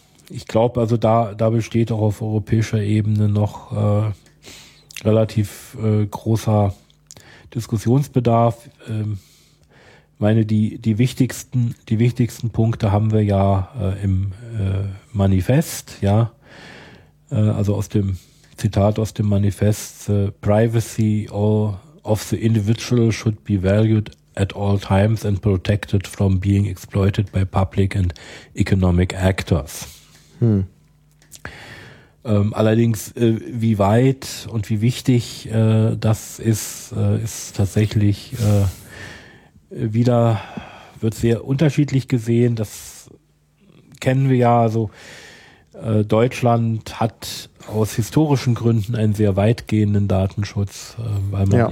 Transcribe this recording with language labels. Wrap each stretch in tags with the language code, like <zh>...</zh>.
<de>Ich glaube, also da besteht auch auf europäischer Ebene noch relativ großer Diskussionsbedarf. Ich meine, die wichtigsten Punkte haben wir ja im Manifest, ja. Also aus dem Zitat aus dem Manifest:</de> <en>The privacy of the individual should be valued at all times and protected from being exploited by public and economic actors. Hm.</en> <de>Allerdings, wie weit und wie wichtig das ist, ist tatsächlich wieder, wird sehr unterschiedlich gesehen. Das kennen wir ja. Also, Deutschland hat aus historischen Gründen einen sehr weitgehenden Datenschutz, weil man ja.</de>